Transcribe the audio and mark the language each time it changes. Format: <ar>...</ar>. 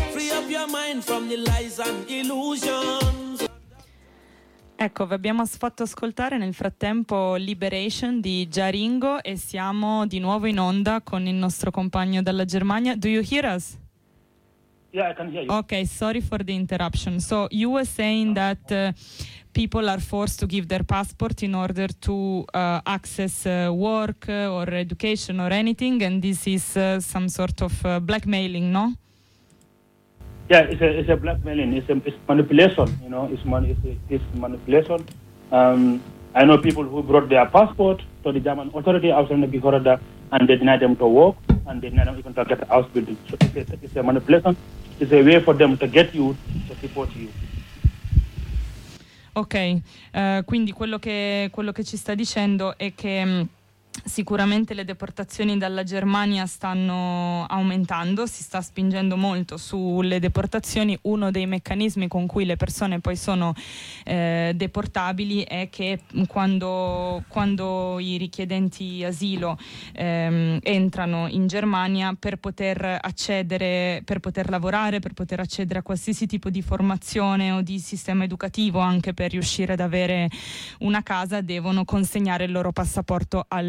<en>Free up your mind from the lies and illusions.</en> <it>Ecco, vi abbiamo fatto ascoltare nel frattempo Liberation di Jaringo e siamo di nuovo in onda con il nostro compagno dalla Germania.</it> <en>Do you hear us? Yeah, I can hear you. Okay, sorry for the interruption. So you were saying that people are forced to give their passport in order to access work or education or anything, and this is some sort of blackmailing, no? Yeah, it's a blackmailing. It's manipulation. You know, it's manipulation. I know people who brought their passport to the German authority outside the Bihorada, and they denied them to work, and they denied them even to get a house building. So it's a manipulation. It's a way for them to get you to support you.</en> <it>Ok, quindi quello che ci sta dicendo è che sicuramente le deportazioni dalla Germania stanno aumentando, si sta spingendo molto sulle deportazioni. Uno dei meccanismi con cui le persone poi sono deportabili è che quando i richiedenti asilo entrano in Germania, per poter lavorare, per poter accedere a qualsiasi tipo di formazione o di sistema educativo, anche per riuscire ad avere una casa, devono consegnare il loro passaporto</it>